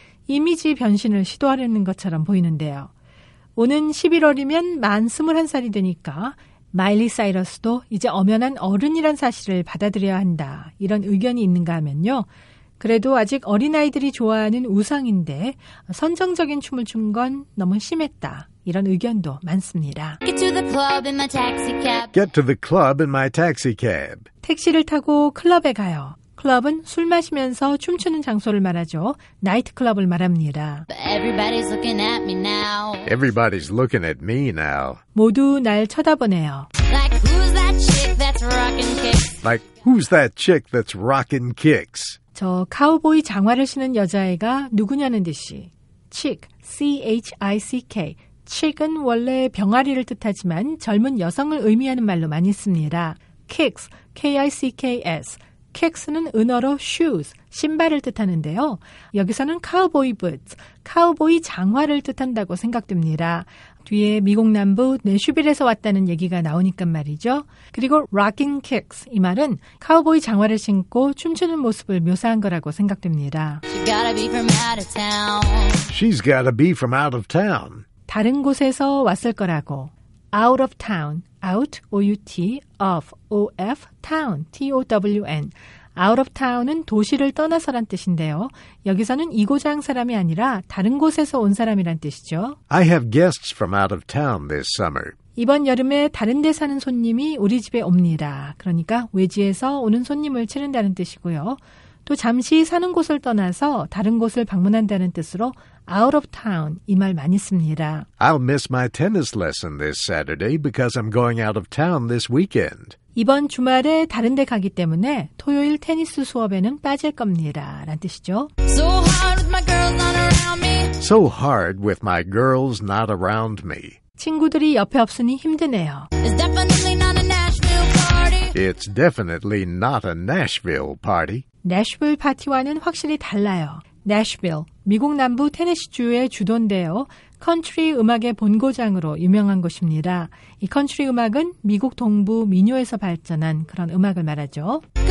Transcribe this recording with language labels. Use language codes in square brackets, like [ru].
[ko] 이미지 변신을 시도하려는 것처럼 보이는데요. 오는 11월이면 만 21살이 되니까 마일리 사이러스도 이제 엄연한 어른이란 사실을 받아들여야 한다 이런 의견이 있는가 하면요. 그래도 아직 어린아이들이 좋아하는 우상인데 선정적인 춤을 춘 건 너무 심했다. 이런 의견도 많습니다. [en] Get to the club in my taxi cab. Get to the club in my taxi cab. [ko] 택시를 타고 클럽에 가요. 클럽은 술 마시면서 춤추는 장소를 말하죠. 나이트클럽을 말합니다. [en] Everybody's looking at me now. Everybody's looking at me now. [ko] 모두 날 쳐다보네요. [en] Like who's that chick that's rocking kicks? Like who's that chick that's rocking kicks? [ko] 저 카우보이 장화를 신은 여자애가 누구냐는 듯이 chick, C-H-I-C-K, chick은 원래 병아리를 뜻하지만 젊은 여성을 의미하는 말로 많이 씁니다. kicks, K-I-C-K-S, kicks는 은어로 shoes, 신발을 뜻하는데요. 여기서는 카우보이 부츠, 카우보이 장화를 뜻한다고 생각됩니다. 뒤에 미국 남부 내슈빌에서 왔다는 얘기가 나오니까 말이죠. 그리고 [en] rocking kicks [ko] 이 말은 카우보이 장화를 신고 춤추는 모습을 묘사한 거라고 생각됩니다. [en] She's gotta be from out of town. She's gotta be from out of town. [ko] 다른 곳에서 왔을 거라고. [en] Out of town, out, O-U-T, of, O-F, town, T-O-W-N. Out of town [ko] 은 도시를 떠나서란 뜻인데요. 여기서는 이고장 사람이 아니라 다른 곳에서 온 사람이란 뜻이죠. [en] I have guests from out of town this summer. [ko] 이번 여름에 다른 데 사는 손님이 우리 집에 옵니다. 그러니까 외지에서 오는 손님을 치른다는 뜻이고요. 또 잠시 사는 곳을 떠나서 다른 곳을 방문한다는 뜻으로 [en] out of town [ko] 이 말 많이 씁니다. [en] I'll miss my tennis lesson this Saturday because I'm going out of town this weekend. [ko] 이번 주말에 다른 데 가기 때문에 토요일 테니스 수업에는 빠질 겁니다. 라는 뜻이죠. [en] So hard with my girls not around me. So hard with my girls not around me. [ko] 친구들이 옆에 없으니 힘드네요. [en] It's definitely not a Nashville party. It's definitely not a Nashville party. [ko] 내슈빌 파티와는 확실히 달라요. 내슈빌, 미국 남부 테네시주의 주도인데요. 컨트리 음악의 본고장으로 유명한 곳입니다. 이 컨트리 음악은 미국 동부 민요에서 발전한 그런 음악을 말하죠.